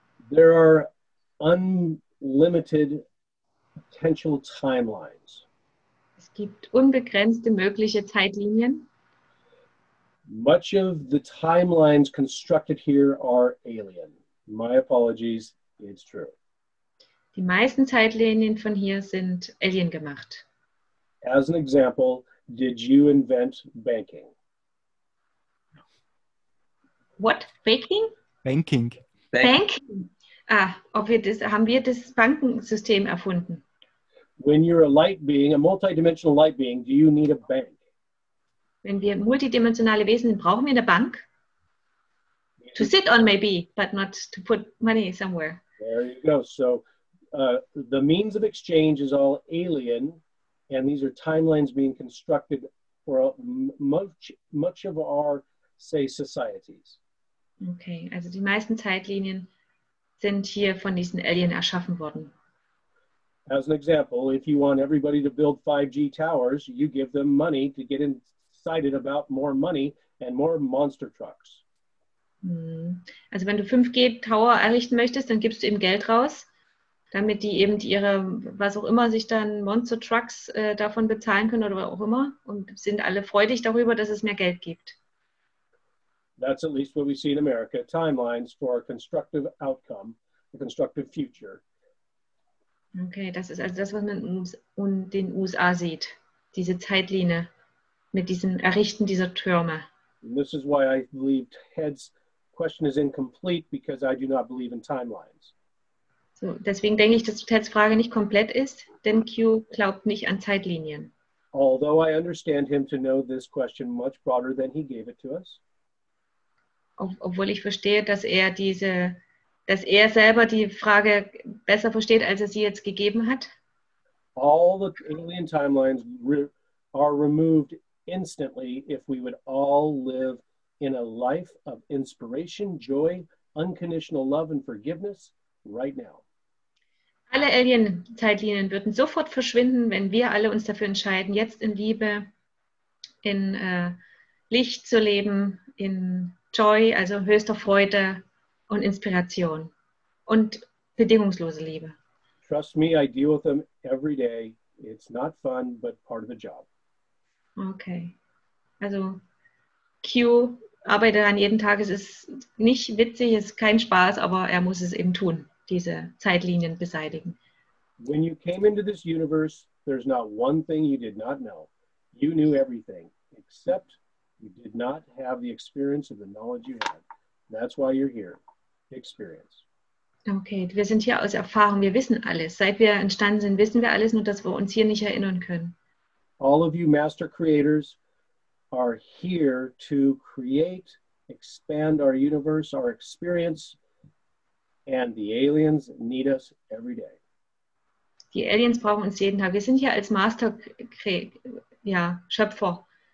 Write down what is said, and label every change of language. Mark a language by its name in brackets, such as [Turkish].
[English] There are unlimited potential timelines. [German] Es gibt unbegrenzte mögliche Zeitlinien. [English] Much of the timelines constructed here are alien. My apologies, it's true. [German] Die meisten Zeitlinien von hier sind Alien gemacht. [English] As an example, did you invent banking? What? Banking? Banking. Banking. [German] Ah, ob wir das, haben wir das Bankensystem erfunden? [English] When you're a light being, a multidimensional light being, do you need a bank? [German] Wenn wir multidimensionale Wesen sind, brauchen wir eine Bank? [English] Yeah. To sit on maybe, but not to put money somewhere. There you go. So the means of exchange is all alien, and these are timelines being constructed for much of our, say, societies. [German] Okay, also die meisten Zeitlinien sind hier von diesen Alien erschaffen worden. [English] As an example, if you want everybody to build 5G towers, you give them money to get excited about more money and more monster trucks. [German] Also wenn du 5G-Tower errichten möchtest, dann gibst du eben Geld raus, damit die eben ihre, was auch immer, sich dann Monster Trucks davon bezahlen können oder auch immer und sind alle freudig darüber, dass es mehr Geld gibt. [English] That's at least what we see in America, timelines for a constructive outcome, a constructive future. [German] Okay, das ist also das, was man in den USA sieht, diese Zeitlinie mit diesem Errichten dieser Türme. [English] And this is why I believe Ted's question is incomplete, because I do not believe in timelines. [German] So, deswegen denke ich, dass Ted's Frage nicht komplett ist, denn Q glaubt nicht an Zeitlinien. [English] Although I understand him to know this question much broader than he gave it to us. [German] Obwohl ich verstehe, dass er diese, dass er selber die Frage besser versteht, als er sie jetzt gegeben hat. [English] All the alien timelines are removed instantly if we would all live in a life of inspiration, joy, unconditional love and forgiveness right now. [German] Alle Alien-Zeitlinien würden sofort verschwinden, wenn wir alle uns dafür entscheiden, jetzt in Liebe, in Licht zu leben, in Joy, also höchster Freude und Inspiration und bedingungslose Liebe. [English] Trust me, I deal with them every day. It's not fun, but part of the job. [German] Okay. Also Q arbeitet an jeden Tag. Es ist nicht witzig, es ist kein Spaß, aber er muss es eben tun, diese Zeitlinien beseitigen. [English] When you came into this universe, there's not one thing you did not know. You knew everything, except you did not have the experience of the knowledge you had. That's why you're here. Experience. [German] Okay, wir sind hier aus Erfahrung. Wir wissen alles. Seit wir entstanden sind, wissen wir alles, nur dass wir uns hier nicht erinnern können. [English] All of you master creators are here to create, expand our universe, our experience, and the aliens need us every day. [German] Die Aliens brauchen uns jeden Tag. Wir sind hier als Master-Schöpfer.